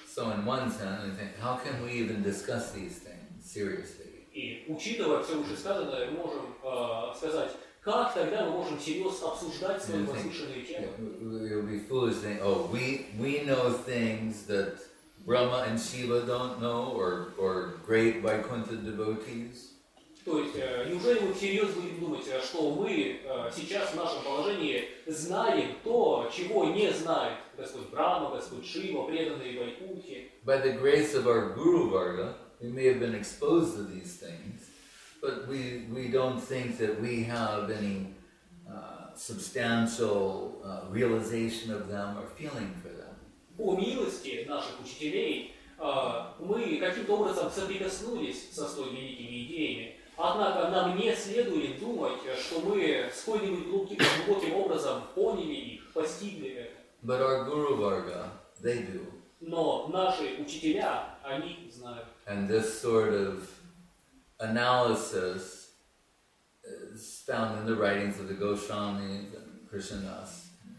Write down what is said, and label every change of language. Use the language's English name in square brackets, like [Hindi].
[English] So in one sense, I think, how can we even discuss these things seriously? [Russian] И учитывая все уже сказанное, мы можем сказать, как тогда мы можем серьезно обсуждать свои возвышенные темы? [English] It would be foolish thing. Oh, we know things that Brahma and Shiva don't know, or great Vaikuntha devotees. [Russian] То есть, неужели мы всерьез будем думать, что мы сейчас в нашем положении знаем то, чего не знает Господь Брама, Господь Шива, преданные Вайкунтхи? [English] By the grace of our Guru Varga, we may have been exposed to these things, but we don't think that we have any substantial realization of them or feeling for them. [Russian] По милости наших учителей, мы каким-то образом соприкоснулись со столь великими идеями, однако нам не следует думать, что мы с какой-нибудь глубоким образом поняли их, постигли это. [English] But our Guru Varga, they do. [Russian] Но наши учителя, они знают. [English] And this sort of analysis is found in the writings of the Goswamis and Krishnadas.